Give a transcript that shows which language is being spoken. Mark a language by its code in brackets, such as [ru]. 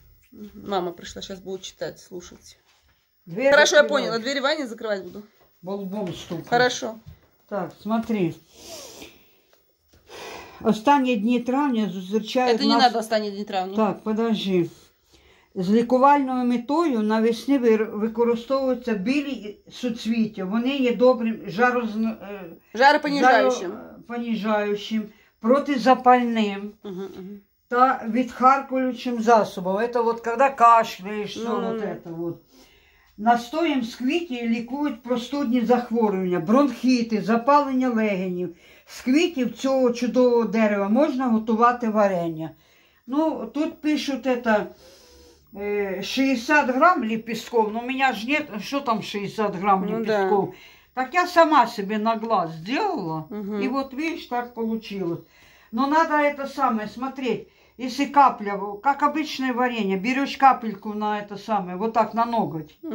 [ru] Мама пришла, сейчас будет читать, слушать. Дверь. Хорошо, открывать. Я поняла. Дверь в ванне закрывать буду. Болбом стукнуть. Хорошо. Так, смотри. Останние дни [uk] травня [ru] зазвучают... Это не нас... надо останние дни [uk] травня. [ru] Так, подожди. [uk] З лікувальною метою на весні використовуються білі суцвіття. Вони є добрим жаропоніжаючим. Жаропоніжаючим, протизапальним та відхаркуючим засобом. Це от коли кашляєш, що от. Настоєм з квітів лікують простудні захворювання, бронхіти, запалення легенів. З квітів цього чудового дерева можна готувати варення. Ну, тут пишуть це... [ru] 60 грам лепестков, но у меня же нет, что там 60 грам лепестков. Ну, да. Так я сама себе на глаз сделала, угу. И вот видишь, так получилось. Но надо это самое смотреть, если капля, как обычное варенье, берешь капельку на это самое, вот так на ноготь, угу.